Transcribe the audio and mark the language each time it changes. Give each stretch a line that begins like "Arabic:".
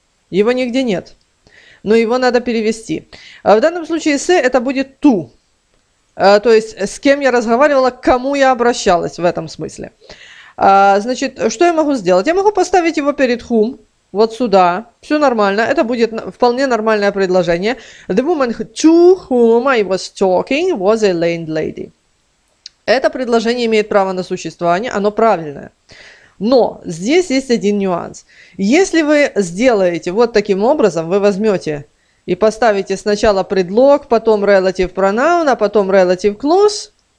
Russian: Его нигде нет, но его надо перевести. А в данном случае «с» это будет «to». То есть, с кем я разговаривала, к кому я обращалась в этом смысле. Значит, что я могу сделать? Я могу поставить его перед whom, вот сюда. Все нормально, это будет вполне нормальное предложение.
English: The woman to whom I was talking was a landlady.
Russian: Это предложение имеет право на существование, оно правильное. Но здесь есть один нюанс. Если вы сделаете вот таким образом, вы возьмете... И поставите сначала предлог, потом relative pronoun, а потом relative clause.